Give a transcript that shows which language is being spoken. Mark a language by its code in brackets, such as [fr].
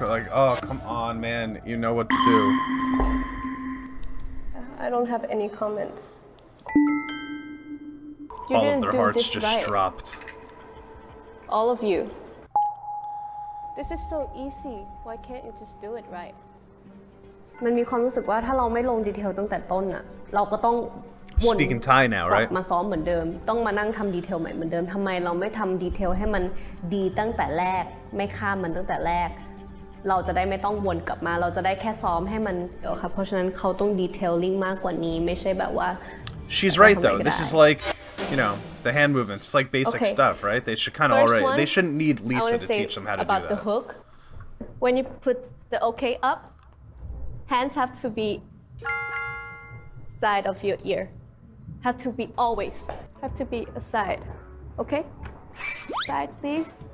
[en] I'm like, oh, come on, man. You know what to do. I don't have any comments. You all of their hearts just right. Dropped. All of you. This is so easy. Why can't you just do it right? [th] มันมีความรู้สึกว่าถ้าเราไม่ลงดีเทลตั้งแต่ต้นน่ะเราก็ต้อง วน [en] Speaking Thai now, right? [th] มาซ้อมเหมือนเดิมต้องมานั่งทำดีเทลใหม่เหมือนเดิมทำไมเราไม่ทำดีเทลให้มันดีตั้งแต่แรกไม่ข้ามมันตั้งแต่แรกเราจะได้ไม่ต้องวนกลับมาเราจะได้แค่ซ้อมให้มันเออครับเพราะฉะนั้นเขาต้องดีเทลลิ่งมากกว่านี้ไม่ใช่แบบว่า [en] She's right though. This is like, you know, the hand movements. It's like basic stuff, right? They should kind of already. They shouldn't need Lisa to teach them how to do that. About the hook. When you put the okay up. Hands have to be side of your ear. Have to be always. Have to be aside. Okay? Side, please.